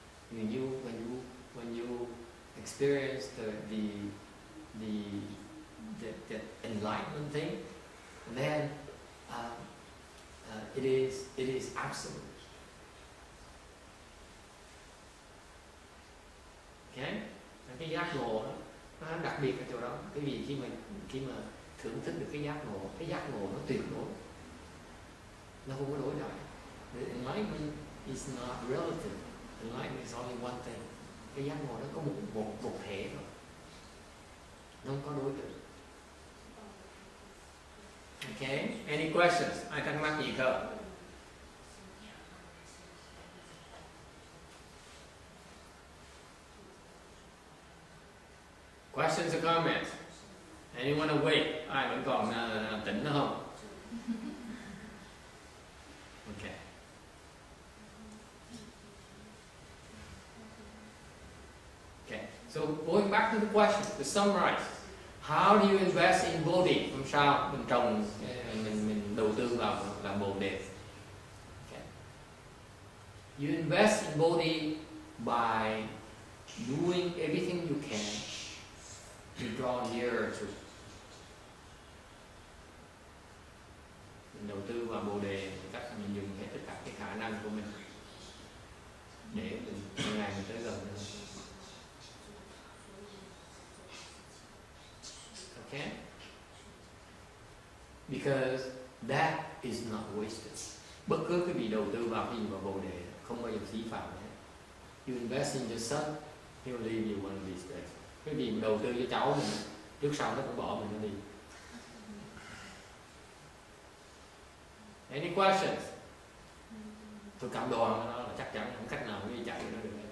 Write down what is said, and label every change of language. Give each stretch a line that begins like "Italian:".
English: When you experience the enlightenment thing, then it is absolute. Okay?
Vietnamese: Và cái giác ngộ nó đặc biệt ở chỗ đó. Cái gì khi mà thưởng thức được cái giác ngộ nó tuyệt đối. Nó không có đối đãi.
English: The enlightenment is not relative. The enlightenment is only one thing.
Vietnamese: Cái giác ngộ nó có một thể thôi. Nó không có đối tượng.
English: Okay, any questions?
Vietnamese: Ai thắc mắc gì không?
English: Questions or comments? Anyone awake?
Vietnamese: Ai vẫn còn tỉnh nữa không?
English: Okay. Okay, so going back to the question, to summarize. How do you invest in Bodhi?
Vietnamese: Làm sao mình trồng, mình đầu tư vào làm Bồ Đề?
English: Okay. You invest in Bodhi by doing everything you can to draw nearer to.
Vietnamese: Mình đầu tư vào Bồ Đề cách mình dùng hết tất cả cái khả năng của mình để mình ngày mình tới gần.
English: Okay? Because that is not wasted.
Vietnamese: Bất cứ cái vị đầu tư vào khi vào Bồ Đề không bao giờ phí phạm hết.
English: You invest in yourself, he'll leave you one of these days.
Vietnamese: Cái vị đầu tư cho cháu mình, trước sau nó cũng bỏ mình đi.
English: Any questions?
Vietnamese: Tôi cảm đoan nó là chắc chắn không cách nào đi chạy nó được.